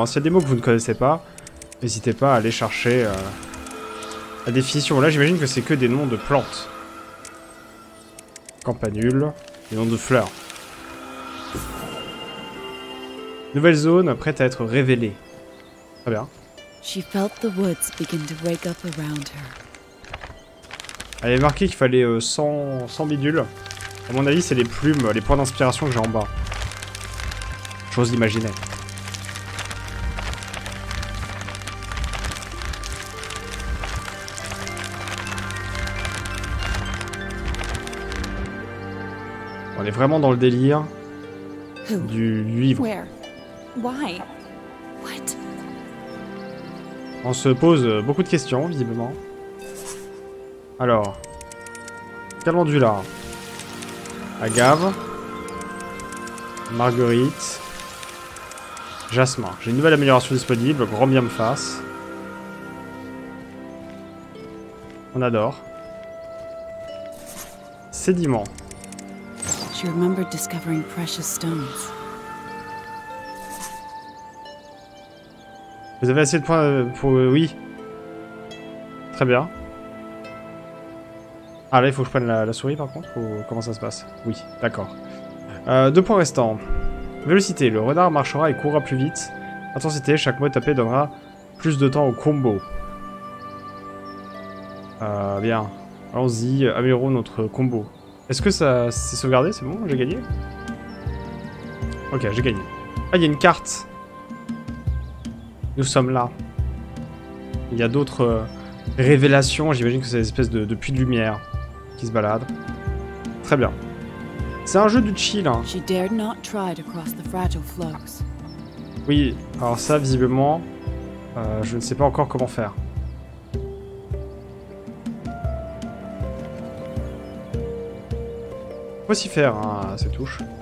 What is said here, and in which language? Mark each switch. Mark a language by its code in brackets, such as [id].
[fr] Hein. S'il y a des mots que vous ne connaissez pas, n'hésitez pas à aller chercher la définition. Là, j'imagine que c'est que des noms de plantes. Campanule, des noms de fleurs. Nouvelle zone prête à être révélée. Très bien. [en] She felt the woods begin to wake up around her. [fr] Elle avait marqué qu'il fallait 100 bidules. À mon avis, c'est les plumes, les points d'inspiration que j'ai en bas. J'ose l'imaginer. On est vraiment dans le délire du livre. [en] Where? Why? What? [fr] On se pose beaucoup de questions, visiblement. Alors. Calendula. Agave. Marguerite. Jasmin. J'ai une nouvelle amélioration disponible, grand bien me fasse. On adore. Sédiment. [en] She remembered discovering precious stones. [fr] Vous avez assez de points pour... Oui. Très bien. Ah là, il faut que je prenne la souris par contre, ou comment ça se passe? Oui, d'accord. Deux points restants. Vélocité, le renard marchera et courra plus vite. Intensité, chaque mot tapé donnera plus de temps au combo. Bien. Allons-y, améliorons notre combo. Est-ce que ça s'est sauvegardé? C'est bon, j'ai gagné? Ok, j'ai gagné. Ah, il y a une carte. Nous sommes là. Il y a d'autres révélations. J'imagine que c'est des espèces de puits de lumière qui se baladent. Très bien. C'est un jeu de chill. Hein. [en] She dared not try to cross the fragile flows. [fr] Oui, alors ça, visiblement, je ne sais pas encore comment faire. Faut s'y faire, hein, cette touche.